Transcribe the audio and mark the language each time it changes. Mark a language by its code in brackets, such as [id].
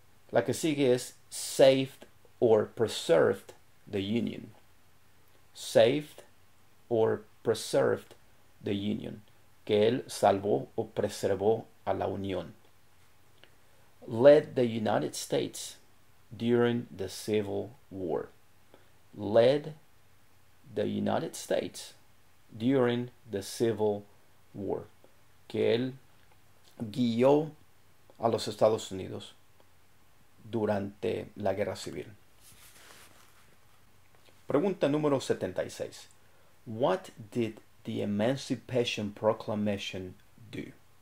[es] La que sigue es [en] saved or preserved the Union. Saved or preserved the Union. [es] Que él salvó o preservó a la Unión. [en] Led the United States during the Civil War. Led the United States during the Civil War. [es] Que él guió a los Estados Unidos durante la Guerra Civil. Pregunta número 76. [en] What did the Emancipation Proclamation do?